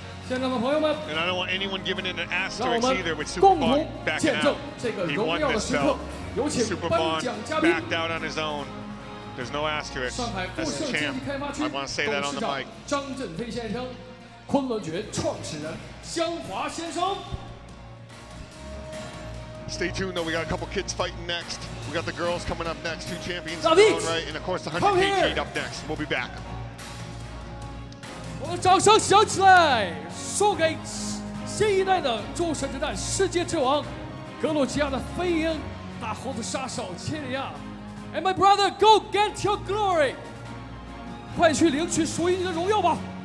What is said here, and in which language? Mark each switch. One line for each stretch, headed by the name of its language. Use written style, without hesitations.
English: And I don't want anyone giving it an asterisk either with Super Bond backing out. He won this belt. Super Bond backed out on his own. There's no asterisk. That's the champ. I want to say that on the mic.
Chinese: 昆仑决创始人香华先生
English: Stay tuned though, we got a couple kids fighting next. We got the girls coming up next, two champions in their own right, and of course the 100kg up next. We'll be back.
Chinese: 我的掌声响起来，送给新一代的诸神之战世界之王，格鲁吉亚的飞鹰，大猴子杀手切利亚。
English: And my brother, go get your glory!
Chinese: 快去领取属于你的荣耀吧。